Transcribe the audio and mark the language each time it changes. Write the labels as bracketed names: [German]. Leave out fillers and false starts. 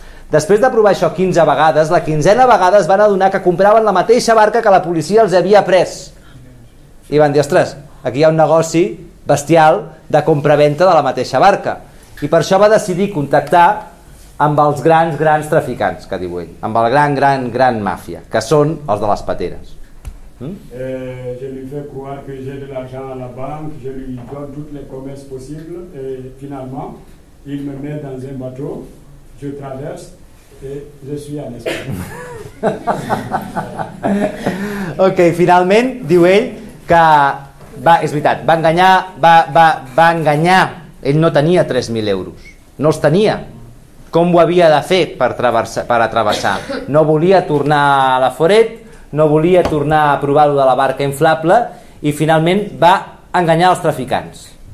[Catalan] Després de provar això 15 vegades, la 15a vegada es van adonar que compraven la mateixa barca que la policia els havia pres. I van dir, ostres, aquí hi ha un negoci bestial de compra-venta de la mateixa barca. I per això va decidir contactar amb els grans traficants, que diu ell, amb el gran màfia, que són els de les pateres. [French] Je lui fais croire que j'ai de l'argent a la banque, je lui donne toutes les promesses possibles, et finalement, il me met dans un bateau, je traverse, et je suis en Espagne. [Catalan] Ok, finalment, diu ell, que va, és veritat, va enganyar, ell no tenia 3.000 euros, no els tenia. Com ho havia de fer per travessar? No volia tornar a la Foret, no volia tornar a provar-ho de la barca inflable i finalment va enganyar els traficants.